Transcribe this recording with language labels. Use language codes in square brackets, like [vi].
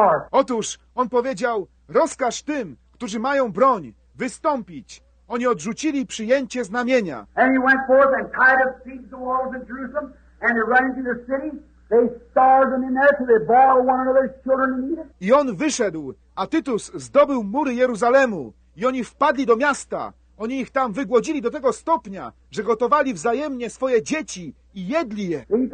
[pl] Otóż, on powiedział, rozkaż tym, którzy mają broń, wystąpić. Oni odrzucili przyjęcie znamienia. [en] And he went forth and tied up the walls in Jerusalem and he ran into the city. They starved them in there till they boiled one another's children and eat it. [pl] I on wyszedł, a Tytus zdobył mury Jeruzalemu i oni wpadli do miasta. Oni ich tam wygłodzili do tego stopnia, że gotowali wzajemnie swoje dzieci i jedli je.